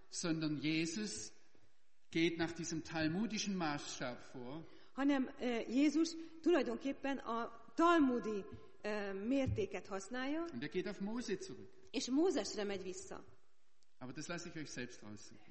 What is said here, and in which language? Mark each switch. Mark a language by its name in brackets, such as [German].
[German] Sondern Jesus geht nach diesem talmudischen Maßstab vor. [Hungarian] Hanem Jézus tulajdonképpen a talmudi mértéket használja. [German] Und er geht auf Mose zurück. [Hungarian] És Mózesre megy vissza. [German] Aber das lasse ich euch selbst rausziehen.